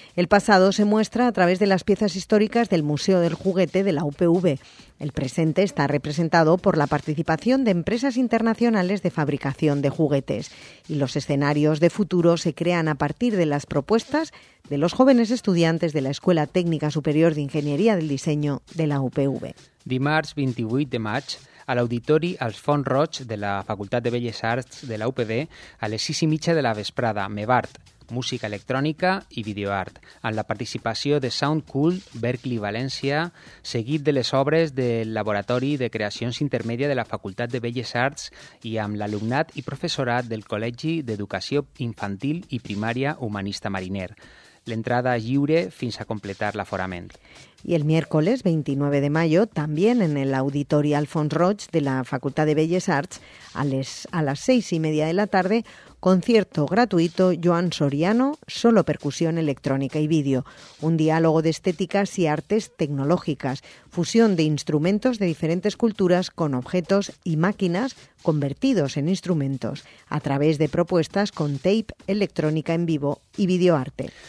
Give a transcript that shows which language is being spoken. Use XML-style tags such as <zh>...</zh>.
<es>El pasado se muestra a través de las piezas históricas del Museo del Juguete de la UPV. El presente está representado por la participación de empresas internacionales de fabricación de juguetes. Y los escenarios de futuro se crean a partir de las propuestas de los jóvenes estudiantes de la Escuela Técnica Superior de Ingeniería del Diseño de la UPV.</es> <ca>Dimarts 28 de maig, a l'Auditori Alfons Roig de la Facultat de Belles Arts de la UPV, a les 6:30 de la vesprada, MEVART, música electrònica i videoart, amb la participació de Sound Cool, Berkeley València, seguit de les obres del Laboratori de Creacions Intermèdia de la Facultat de Belles Arts i amb l'alumnat i professorat del Col·legi d'Educació Infantil i Primària Humanista Mariner. L'entrada és lliure fins a completar l'aforament.</ca> <es>Y el miércoles 29 de mayo, también en el Auditori Alfons Roig de la Facultat de Belles Arts, a las 6:30 de la tarde, concierto gratuito Joan Soriano, solo percusión electrónica y vídeo. Un diálogo de estéticas y artes tecnológicas, fusión de instrumentos de diferentes culturas con objetos y máquinas convertidos en instrumentos, a través de propuestas con tape, electrónica en vivo y videoarte.</es>